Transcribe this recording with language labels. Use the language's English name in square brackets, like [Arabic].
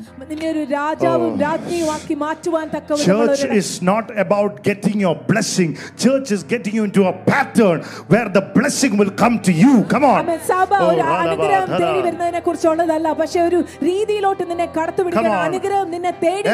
[Malayalam] നിന്നെ ഒരു രാജാവും രാജ്ഞിയുമാക്കി മാറ്റുവാൻ തക്ക [English] Church is not about getting your blessing. Church is getting you into a pattern where the blessing will come to you. Come on. [Malayalam] സഭ ഒരു അനുഗ്രഹം തേടി വരുന്നതിനെ കുറിച്ചുള്ളതല്ല പക്ഷേ ഒരു രീതിയിലോട്ട് നിന്നെ കടത്തിവിടുന്ന അനുഗ്രഹം നിന്നെ തേടി